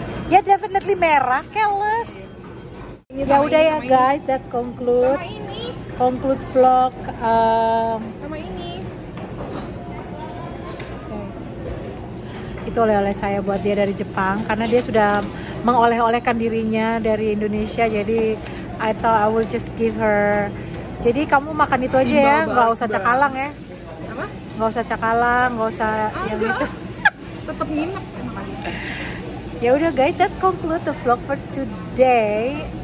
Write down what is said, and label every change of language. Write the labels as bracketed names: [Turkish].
[Indonesian] Ya definitely merah, keles. Ya udah ya guys, ini. [English] That's conclude. [Indonesian] Sama ini. [English] Conclude vlog. [Indonesian] Sama ini. [English] Okay. [Indonesian] Itu oleh-oleh saya buat dia dari Jepang, karena dia sudah mengoleh-olehkan dirinya dari Indonesia. [English] Jadi I thought I will just give her. [Indonesian] Jadi kamu makan itu aja ya, nggak usah cakalang ya. Apa? Nggak usah cakalang, nggak usah. Yang itu. Tetap nginep emang. Ya udah [English] guys, that conclude the vlog for today.